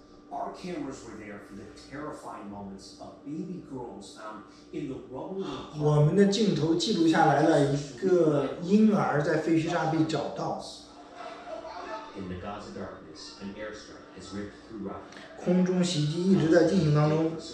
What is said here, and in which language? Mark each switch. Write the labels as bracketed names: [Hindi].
[English] Our cameras were there for the terrifying moments of baby girls found in the rubble. [Chinese] 我们的镜头记录下来了一个婴儿在废墟上被找到。 [English] In the Gaza darkness, an airstrike has ripped through Rafah. [Chinese] 空中袭击一直在进行当中。